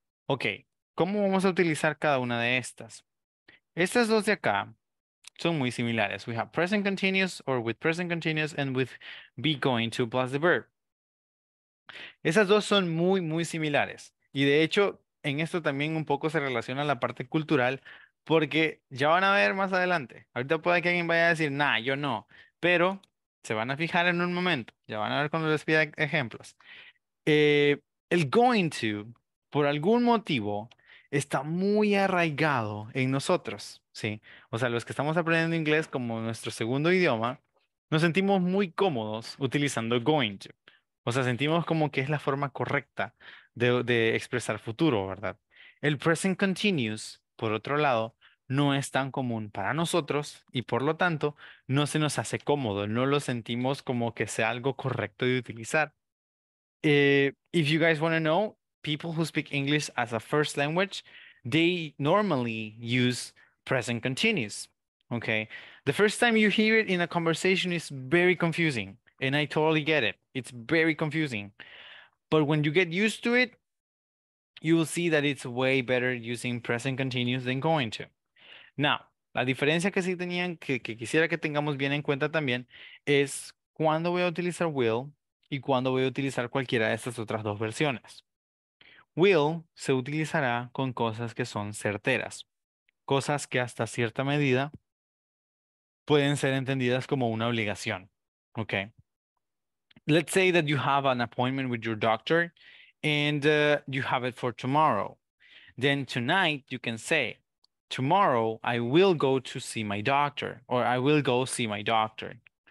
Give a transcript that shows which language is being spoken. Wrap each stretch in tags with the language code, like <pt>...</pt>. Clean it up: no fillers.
<es>Okay, ¿cómo vamos a utilizar cada una de estas? Estas dos de acá son muy similares.</es> <en>We have present continuous, or with present continuous, and with be going to plus the verb.</en> <es>Esas dos son muy, muy similares. Y de hecho, en esto también un poco se relaciona la parte cultural, porque ya van a ver más adelante. Ahorita puede que alguien vaya a decir, nah, yo no. Pero se van a fijar en un momento. Ya van a ver cuando les pida ejemplos. El going to, por algún motivo, está muy arraigado en nosotros, ¿sí? O sea, los que estamos aprendiendo inglés como nuestro segundo idioma, nos sentimos muy cómodos utilizando going to. O sea, sentimos como que es la forma correcta de expresar futuro, ¿verdad? El present continuous, por otro lado, no es tan común para nosotros y por lo tanto, no se nos hace cómodo. No lo sentimos como que sea algo correcto de utilizar.</es> <en>If you guys want to know, people who speak English as a first language, they normally use present continuous, okay? The first time you hear it in a conversation is very confusing. And I totally get it. It's very confusing. But when you get used to it, you will see that it's way better using present continuous than going to.</en> <es>Now, la diferencia que sí tenían, que quisiera que tengamos bien en cuenta también, es cuándo voy a utilizar will y cuándo voy a utilizar cualquiera de estas otras dos versiones. Will se utilizará con cosas que son certeras. Cosas que hasta cierta medida pueden ser entendidas como una obligación.</es> <en>Okay. Let's say that you have an appointment with your doctor and you have it for tomorrow. Then tonight you can say, tomorrow I will go to see my doctor, or I will go see my doctor.</en>